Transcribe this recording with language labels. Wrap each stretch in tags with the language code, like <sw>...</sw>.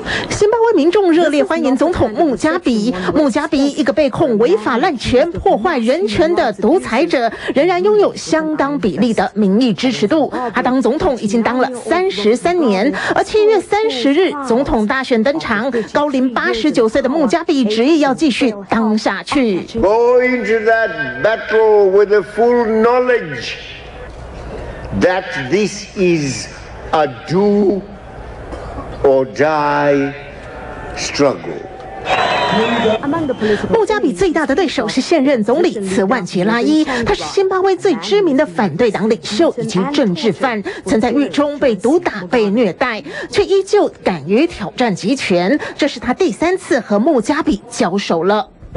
<zh>新巴威民众热烈欢迎总统穆加比，穆加比一个被控违法滥权、破坏人权的独裁者，仍然拥有相当比例的民意支持度。他当总统已经当了33年，而7月30日总统大选登场，高龄89岁的穆加比执意要继续当下去。</zh> <en>Go into that battle with the full knowledge that this is a do or die.</en> <zh>穆加比最大的对手是现任总理茨万杰拉伊，他是新巴威最知名的反对党领袖以及政治犯，曾在狱中被毒打、被虐待，却依旧敢于挑战集权。这是他第三次和穆加比交手了。</zh>